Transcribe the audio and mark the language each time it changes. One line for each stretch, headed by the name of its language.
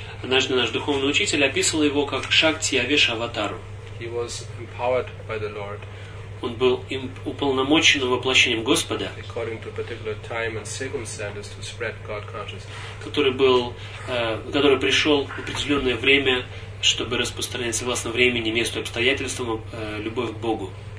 Russian: Однажды наш духовный учитель описывал его как Шакти Авеша Аватару.
English: He was empowered by the Lord.
Russian: Он был уполномочен воплощением Господа,
English: according to particular time and circumstances to spread God consciousness.
Russian: Который пришел в определенное время, чтобы распространять согласно времени, месту и обстоятельствам любовь к Богу.